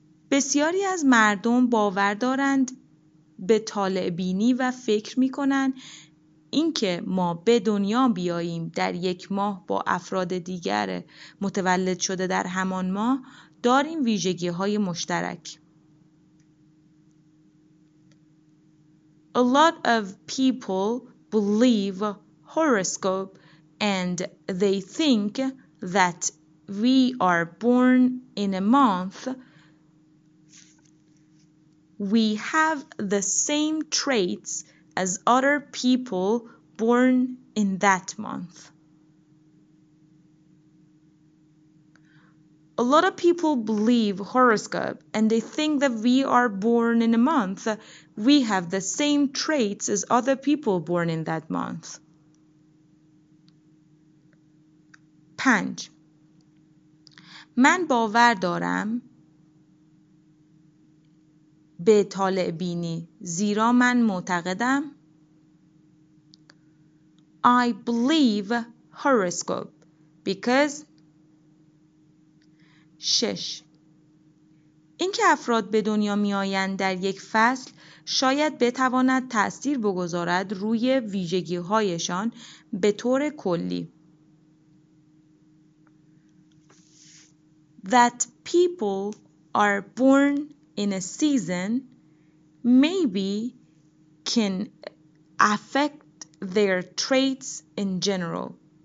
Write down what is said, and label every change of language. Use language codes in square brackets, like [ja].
[fa] بسیاری از مردم باور دارند به طالع‌بینی و فکر می‌کنند اینکه ما به دنیا بیاییم در یک ماه با افراد دیگر متولد شده در همان ماه داریم ویژگی‌های مشترک. [en] A lot of people believe horoscope and they think that we are born in a month. We have the same traits as other people born in that month. A lot of people believe horoscope and they think that we are born in a month. We have the same traits as other people born in that month. 5. [fa] من باور دارم به طالع‌بینی زیرا من معتقدم [en] I believe horoscope because 6. [fa] اینکه افراد به دنیا می آیند در یک فصل شاید بتواند تأثیر بگذارد روی ویژگی هایشان به طور کلی. [en] That people are born in a season maybe can affect their traits in general.